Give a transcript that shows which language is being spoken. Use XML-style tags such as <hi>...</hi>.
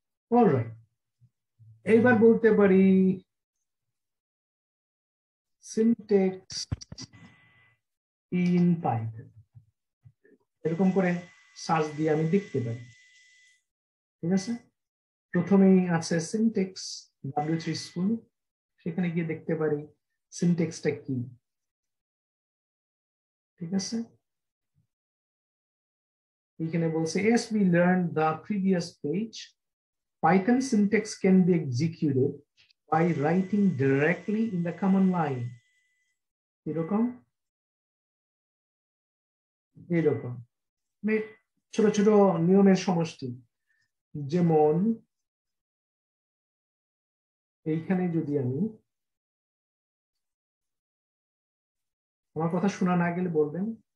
<bn>Alright, এইবার বলতে পারি সিনট্যাক্স ইন পাইথন, এরকম করে সার্চ দিয়ে আমি দেখতে পারি, ঠিক আছে? প্রথমেই আছে সিনট্যাক্স W3 স্কুল, সেখানে গিয়ে দেখতে পারি সিনট্যাক্সটা কি, ঠিক আছে? এখানে বলছে</bn> <en>as we learned the previous page, Python syntax can be executed by writing directly in the command line.</en> <bn>এরকম ছোট ছোট নিয়মের সমষ্টি, যেমন এইখানে যদি আমি, আমার কথা শোনা না গেলে বলবেন</bn>